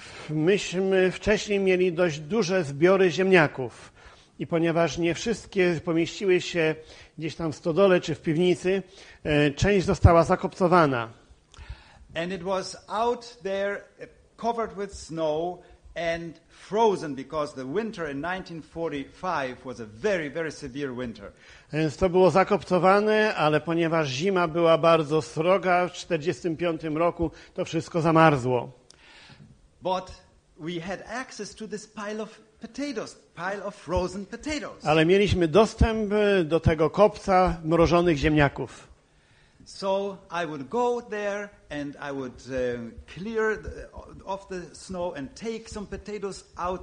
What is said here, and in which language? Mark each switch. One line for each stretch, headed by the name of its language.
Polish: Myśmy wcześniej mieli dość duże zbiory ziemniaków i ponieważ nie wszystkie pomieściły się gdzieś tam w stodole czy w piwnicy, część została zakopcowana.
English: And it was out there covered with snow and frozen because the winter in 1945 was a very, very severe winter.
Polish: Więc to było zakopcowane, ale ponieważ zima była bardzo sroga w 1945 roku, to wszystko zamarzło.
English: But we had access to this pile of potatoes, pile of frozen potatoes.
Polish: Ale mieliśmy dostęp do tego kopca mrożonych ziemniaków.
English: So I would go there and I would clear off the snow and take some potatoes out.